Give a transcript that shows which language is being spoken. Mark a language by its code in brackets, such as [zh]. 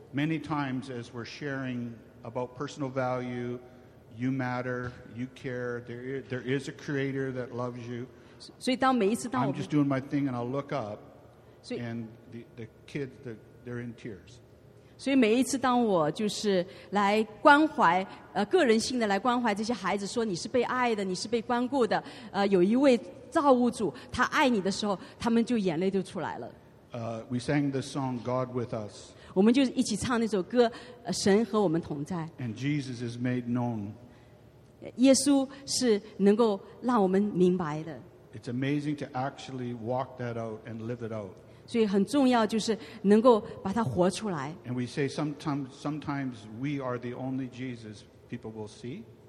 [en] Many times as we're sharing about personal value, you matter, you care, there is a creator that loves you. I'm just doing my thing, and I'll look up, and the kids, they're in tears. [zh] 所以每一次当我就是来关怀，个人性的来关怀这些孩子，说你是被爱的，你是被关顾的，有一位造物主，他爱你的时候，他们就眼泪就出来了。 [en] We sang the song "God with Us." [zh] 我们就一起唱那首歌，神和我们同在。And [en] Jesus is made known. [zh] 耶稣是能够让我们明白的。It's [en] amazing to actually walk that out and live it out. [zh] 所以很重要就是能够把它活出来。And [en] we say sometimes we are the only Jesus people will see.